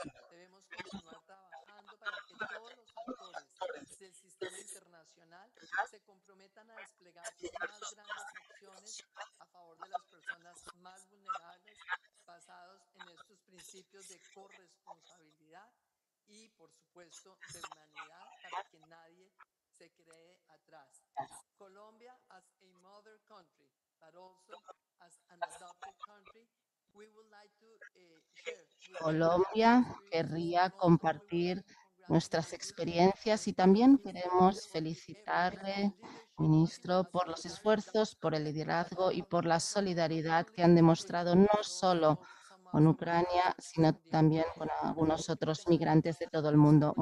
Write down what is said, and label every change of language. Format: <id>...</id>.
<es>Debemos continuar trabajando para que todos los actores del sistema internacional se comprometan a desplegar más grandes acciones a favor de las personas más vulnerables basados en estos principios de corresponsabilidad y, por supuesto, de humanidad para que nadie se quede atrás.</es> <en>Colombia, as a mother country, but also as an adopted country, we would like to share.</en> <es>Colombia querría compartir nuestras experiencias y también queremos felicitarle, ministro, por los esfuerzos, por el liderazgo y por la solidaridad que han demostrado no solo con Ucrania, sino también con algunos otros migrantes de todo el mundo.</es>